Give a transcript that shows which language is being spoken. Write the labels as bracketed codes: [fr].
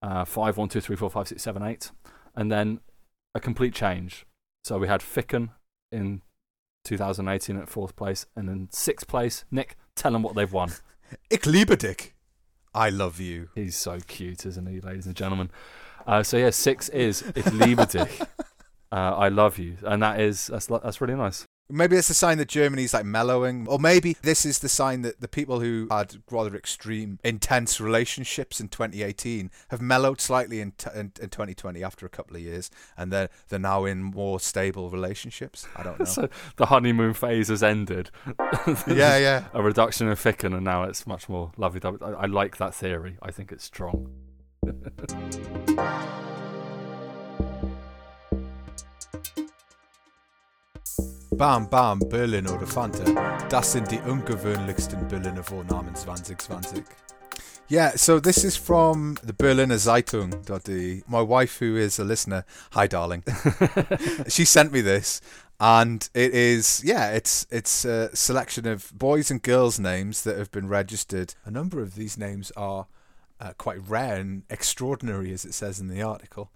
[en] 5, 1, 2, 3, 4, 5, 6, 7, 8. And then a complete change. So we had Ficken in 2018 at fourth place. And in sixth place, Nick, tell them what they've won. [de] Ich liebe dich. [en] I love you. He's so cute, isn't he, ladies and gentlemen? So yeah, six is [de] Ich liebe dich. [en] I love you. And that's really nice. Maybe it's a sign that Germany's like mellowing. Or maybe this is the sign that the people who had rather extreme, intense relationships in 2018 have mellowed slightly in 2020 after a couple of years. And they're now in more stable relationships. I don't know. So the honeymoon phase has ended. Yeah, yeah. A reduction in Ficken, and now it's much more lovey-dovey. I like that theory. I think it's strong. [de] Bam, bam, Berlin oder Fanta. Das sind die ungewöhnlichsten Berliner Vornamen 2020. [en] Yeah, so this is from the Berliner Zeitung. My wife, who is a listener, hi darling, she sent me this. And it is, yeah, it's a selection of boys' and girls' names that have been registered. A number of these names are quite rare and extraordinary, as it says in the article.